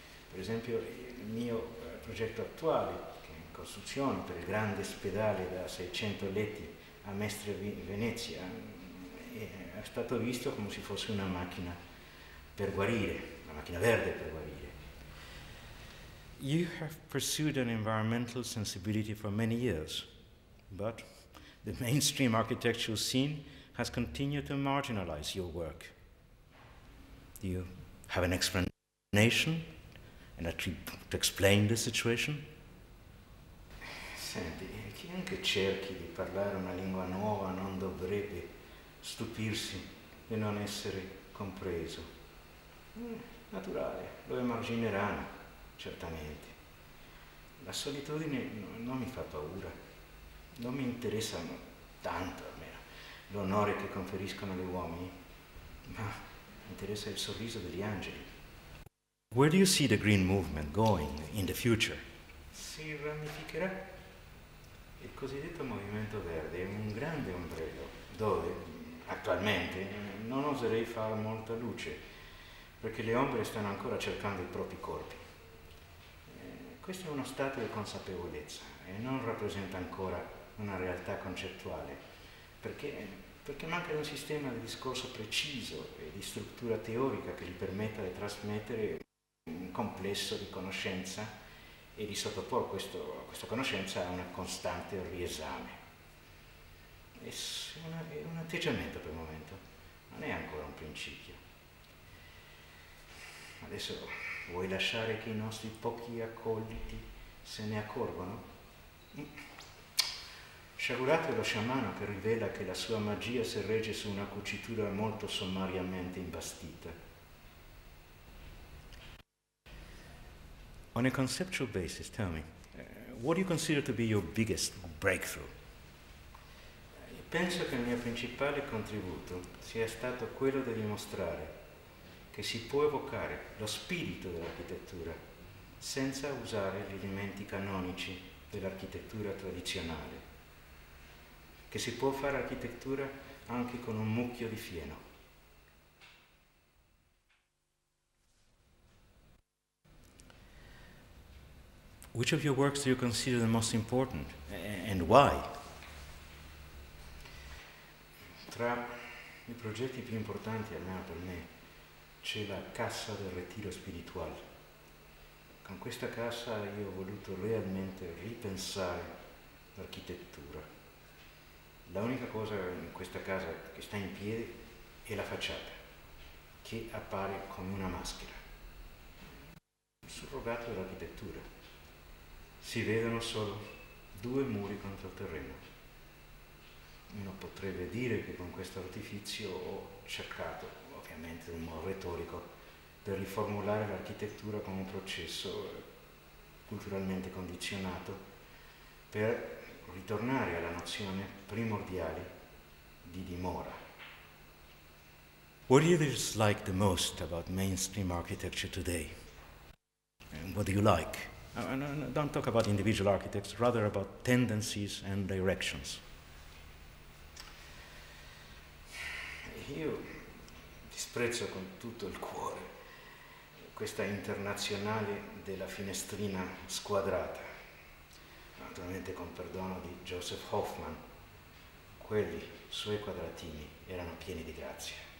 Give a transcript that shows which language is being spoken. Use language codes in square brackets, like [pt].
[it] Per esempio, il mio progetto attuale, che è in costruzione per il grande ospedale da 600 letti a Mestre Venezia, è stato visto come se fosse una macchina per guarire, una macchina verde per guarire. [en] You have pursued an environmental sensibility for many years, but the mainstream architectural scene has continued to marginalize your work. Do you have an explanation and a trip to explain the situation? [it] Senti, chiunque cerchi di parlare una lingua nuova non dovrebbe stupirsi di non essere compreso. Naturale, lo emargineranno. Certamente. La solitudine non mi fa paura, non mi interessano tanto almeno l'onore che conferiscono gli uomini, ma mi interessa il sorriso degli angeli. [en] Where do you see the green movement going in the future? [it] Si ramificherà. Il cosiddetto movimento verde è un grande ombrello dove, attualmente, non oserei fare molta luce, perché le ombre stanno ancora cercando i propri corpi. Questo è uno stato di consapevolezza e non rappresenta ancora una realtà concettuale, perché manca un sistema di discorso preciso e di struttura teorica che gli permetta di trasmettere un complesso di conoscenza e di sottoporre questa conoscenza a una costante riesame. È un atteggiamento per il momento, non è ancora un principio. Adesso, vuoi lasciare che i nostri pochi accoliti se ne accorgano? Sciagurato è lo sciamano che rivela che la sua magia si regge su una cucitura molto sommariamente imbastita. [en] On a conceptual basis, tell me, what do you consider to be your biggest breakthrough? [it] Penso che il mio principale contributo sia stato quello di dimostrare che si può evocare lo spirito dell'architettura senza usare gli elementi canonici dell'architettura tradizionale, che si può fare architettura anche con un mucchio di fieno. [en] Which of your works do you consider the most important and why? [it] Tra i progetti più importanti, almeno per me, c'è la Casa del Retiro Spirituale. Con questa casa io ho voluto realmente ripensare l'architettura. La unica cosa in questa casa che sta in piedi è la facciata, che appare come una maschera. Un surrogato dell'architettura. Si vedono solo due muri contro il terreno. Uno potrebbe dire che con questo artificio ho cercato, ovviamente in modo retorico, per riformulare l'architettura come un processo culturalmente condizionato per ritornare alla nozione primordiale di dimora. [en] What do you dislike the most about mainstream architecture today? And what do you like? No, don't talk about individual architects, rather about tendencies and directions. [it] Io disprezzo con tutto il cuore questa internazionale della finestrina squadrata. Naturalmente, con perdono di Joseph Hoffman, quelli suoi quadratini erano pieni di grazia.